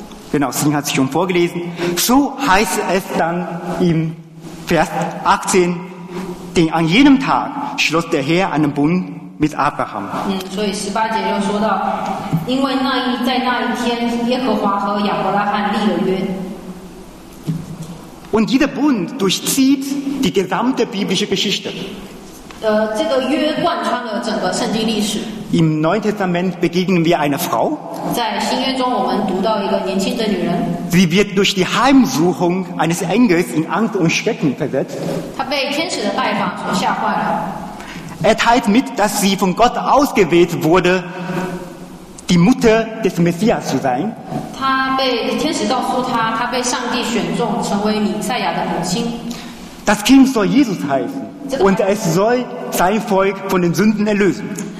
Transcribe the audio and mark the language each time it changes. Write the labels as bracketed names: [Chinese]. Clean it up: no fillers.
[German] Genau, Sing hat es schon vorgelesen. So heißt es dann im Vers 18, denn an jenem Tag schloss der Herr einen Bund mit Abraham. [Chinese] 所以十八节又说到，因为那一在那一天，耶和华和亚伯拉罕立了约。 [German] Und dieser Bund durchzieht die gesamte biblische Geschichte. [Chinese] 这个约贯穿了整个圣经历史。 [German] Im Neuen Testament begegnen wir einer Frau. [Chinese] 在新约中，我们读到一个年轻的女人。 [German] Sie wird durch die Heimsuchung eines Engels in Angst und Schrecken versetzt. [Chinese] 她被天使的拜访所吓坏了。 [German] Er teilt mit, dass sie von Gott ausgewählt wurde, die Mutter des Messias zu sein. [Chinese] 她被天使告诉她，她被上帝选中，成为弥赛亚的母亲。 [German] Das Kind soll Jesus heißen. Und es soll sein Volk von den Sünden erlösen.